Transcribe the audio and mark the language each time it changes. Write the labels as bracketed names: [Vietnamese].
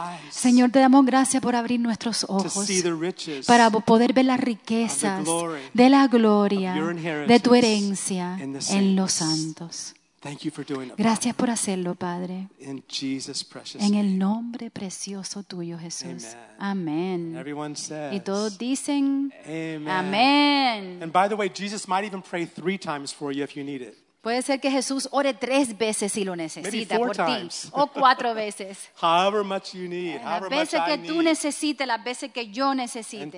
[Spanish] Señor, te damos gracias por abrir nuestros ojos para poder ver las riquezas de la gloria de tu herencia en los santos. Gracias por hacerlo, Padre, en el nombre precioso tuyo, Jesús. Amén. Y todos dicen amén. [English] And by the way, Jesus might even pray 3 times for you if you need it. [Spanish] Puede ser que Jesús ore 3 veces si lo necesita por ti, o 4 veces. [English] However much you need, [Spanish] las veces que tú necesites, las veces que yo necesite.